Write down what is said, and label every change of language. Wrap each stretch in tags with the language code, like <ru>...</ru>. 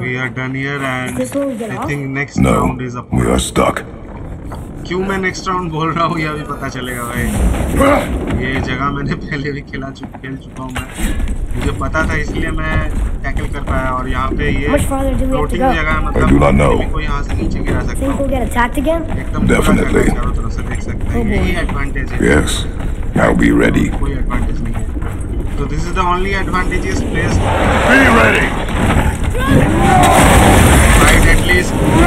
<en>We are done here and think next round is up. No, we are stuck.</en> <hi>क्यों मैं next round बोल रहा हूँ यार भी पता चलेगा भाई ये जगह मैंने पहले भी खेल चुका हूँ मैं मुझे पता था इसलिए मैं टैकल कर पाया और यहाँ पे ये फ्लोटिंग जगह मतलब कोई यहाँ से नीचे गिरा सकता हूँ एकदम डेफिनेटली चारों तरफ से देख सकते हैं यही एडवांटेज है</hi> <en>yes now be ready</en> <hi>कोई एडवांटेज नहीं है तो</hi> <en>this is the only advantageous place be ready right at least</en>